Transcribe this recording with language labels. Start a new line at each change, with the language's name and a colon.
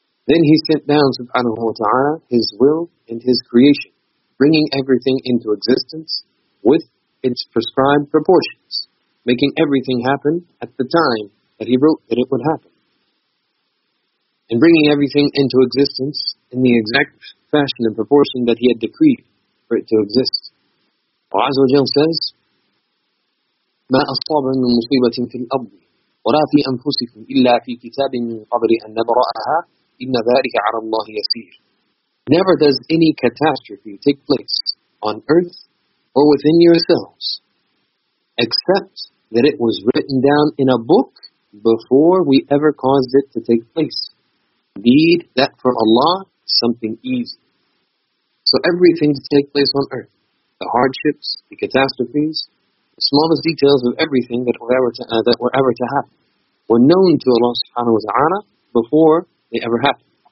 English: Then He sent down subhanahu wa ta'ala His will and His creation, bringing everything into existence with its prescribed proportions, making everything happen at the time that He wrote that it would happen, and bringing everything into existence in the exact fashion and proportion that He had decreed for it to exist. Allah Azza wa Jal says,
Arabic: مَا أَصَّابَ مِنْ مُصِيبَةٍ فِي الْأَرْضِ وَلَا فِي أَنفُسِكُمْ إِلَّا فِي كِتَابٍ مِنْ قَبْلِ أَن نَبْرَأَهَا إِنَّ ذَٰلِكَ عَلَى اللَّهِ يَسِيرٌ.
English: Never does any catastrophe take place on earth or within yourselves except that it was written down in a book before we ever caused it to take place. Indeed, that for Allah is something easy. So everything to take place on earth, the hardships, the catastrophes, the smallest details of everything that were ever to happen, were known to Allah subhanahu wa ta'ala before they ever happened.